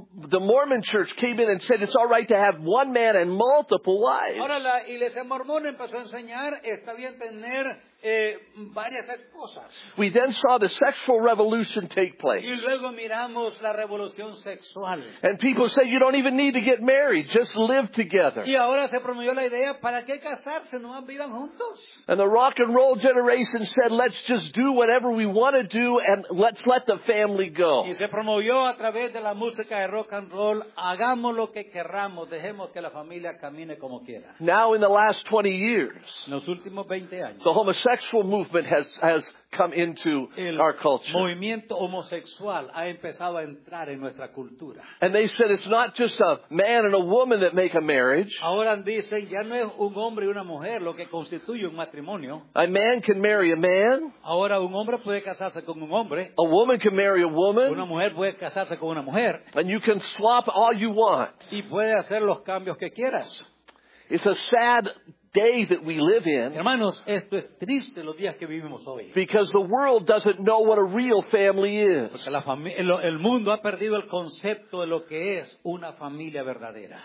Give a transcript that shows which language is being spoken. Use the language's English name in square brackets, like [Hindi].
[English] The Mormon Church came in and said it's all right to have one man and multiple wives. [Spanish] Ahora la Iglesia Mormona empezó a enseñar está bien tener varias esposas. [English] We then saw the sexual revolution take place. [Spanish] Y luego miramos la revolución sexual. [English] And people say you don't even need to get married, just live together. [Spanish] Y ahora se promovió la idea, ¿para qué casarse? ¿No vivan juntos? [English] And the rock and roll generation said, let's just do whatever we want to do and let's let the family go. [Spanish] Y se promovió a través de la música de rock and roll, hagamos lo que queramos, dejemos que la familia camine como quiera. [English] Now in the last 20 years, [Spanish] los últimos 20 años, [English] the homosexual movement has come into [Spanish] el [English] our culture. [Spanish] Movimiento homosexual ha empezado a entrar en nuestra cultura. [English] And they said it's not just a man and a woman that make a marriage. [Spanish] Ahora dicen ya no es un hombre y una mujer lo que constituye un matrimonio. [English] A man can marry a man. [Spanish] Ahora un hombre puede casarse con un hombre. [English] A woman can marry a woman. [Spanish] Una mujer puede casarse con una mujer. [English] And you can swap all you want. [Spanish] Y puede hacer los cambios que quieras. [English] It's a sad day that we live in. [Spanish] Hermanos, esto es triste los días que vivimos hoy. [English] Because the world doesn't know what a real family is. [Spanish] Porque el mundo ha perdido el concepto de lo que es una familia verdadera.